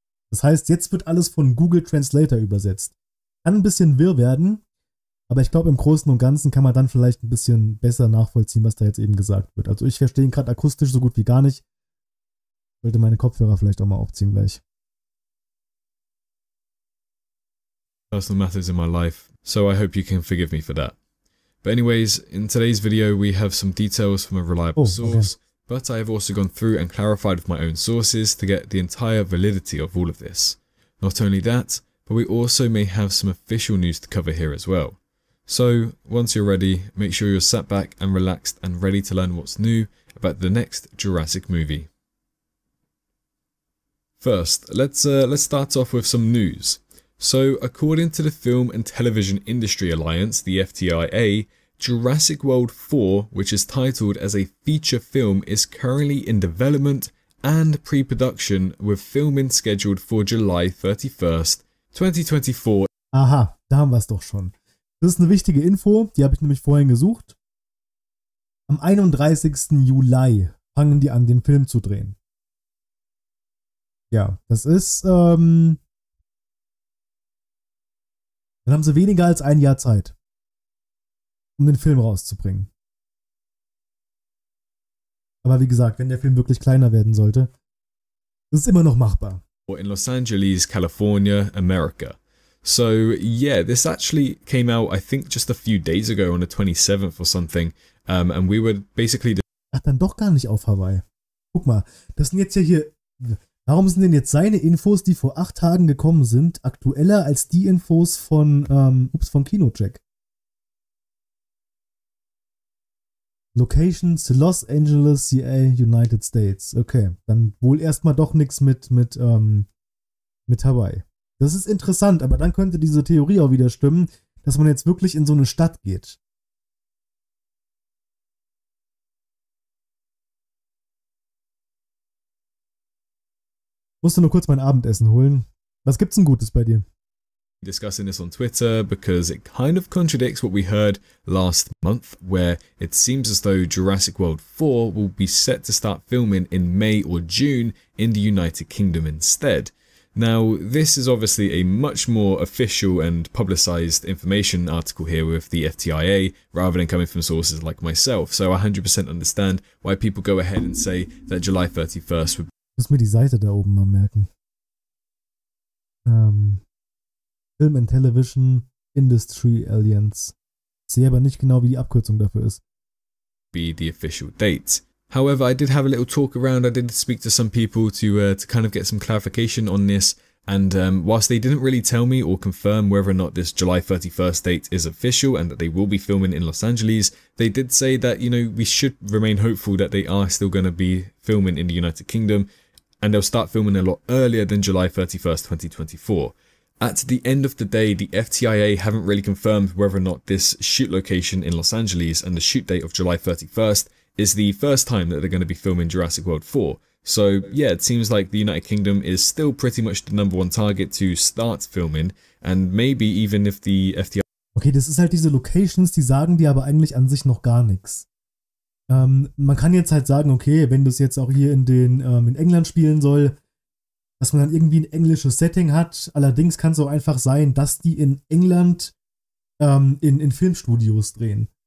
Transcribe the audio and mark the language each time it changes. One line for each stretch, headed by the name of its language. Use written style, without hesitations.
German: Das heißt, jetzt wird alles von Google Translator übersetzt. Kann ein bisschen wirr werden, aber ich glaube, im Großen und Ganzen kann man dann vielleicht ein bisschen besser nachvollziehen, was da jetzt eben gesagt wird. Also ich verstehe ihn gerade akustisch so gut wie gar nicht. Ich sollte meine Kopfhörer vielleicht auch mal aufziehen gleich.
English: Personal matters in my life, so I hope you can forgive me for that. But anyways, in today's video, we have some details from a reliable source. Okay. But I have also gone through and clarified with my own sources to get the entire validity of all of this. Not only that, but we also may have some official news to cover here as well. So, once you're ready, make sure you're sat back and relaxed and ready to learn what's new about the next Jurassic movie. First, let's start off with some news. So, according to the Film and Television Industry Alliance, the FTIA, Jurassic World 4, which is titled as a feature film, is currently in development and pre-production with filming scheduled for July 31st, 2024.
German: Aha, da haben wir es doch schon. Das ist eine wichtige Info, die habe ich nämlich vorhin gesucht. Am 31. Juli fangen die an, den Film zu drehen. Ja, das ist, dann haben sie weniger als ein Jahr Zeit, um den Film rauszubringen. Aber wie gesagt, wenn der Film wirklich kleiner werden sollte, das ist immer noch machbar.
English: In Los Angeles, California, America. So, yeah, this actually came out, I think, just a few days ago on the 27th or something. And we were basically...
German: Ach, dann doch gar nicht auf Hawaii. Guck mal, das sind jetzt ja hier... Warum sind denn jetzt seine Infos, die vor 8 Tagen gekommen sind, aktueller als die Infos von, von Kinocheck?
English: Locations, Los Angeles, CA, United States.
German: Okay, dann wohl erstmal doch nichts mit Hawaii. Das ist interessant, aber dann könnte diese Theorie auch wieder stimmen, dass man jetzt wirklich in so eine Stadt geht. Musst du nur kurz mein Abendessen holen. Was gibt's denn Gutes bei dir?
English: Discussing this on Twitter because it kind of contradicts what we heard last month, where it seems as though Jurassic World 4 will be set to start filming in May or June in the United Kingdom instead. Now, this is obviously a much more official and publicized information article here with the FTIA rather than coming from sources like myself. So I 100% understand why people go ahead and say that July 31st would be.
German: Ich muss mir die Seite da oben mal merken.
English: Film and Television Industry Alliance.
German: Ich sehe aber nicht genau, wie die Abkürzung dafür ist.
English: Be the official date. However, I did have a little talk around. I did speak to some people to kind of get some clarification on this. And whilst they didn't really tell me or confirm whether or not this July 31st date is official and that they will be filming in Los Angeles, they did say that, you know, we should remain hopeful that they are still going to be filming in the United Kingdom and they'll start filming a lot earlier than July 31st, 2024. At the end of the day, the FTIA haven't really confirmed whether or not this shoot location in Los Angeles and the shoot date of July 31st is the first time that they're going to be filming Jurassic World 4. So, yeah, it seems like the United Kingdom is still pretty much the number one target to start filming. And maybe even if the FTIA...
German: Okay, das ist halt diese Locations, die sagen dir aber eigentlich an sich noch gar nichts. Man kann jetzt halt sagen, okay, wenn das jetzt auch hier in den in England spielen soll, dass man dann irgendwie ein englisches Setting hat. Allerdings kann es auch einfach sein, dass die in England in Filmstudios drehen.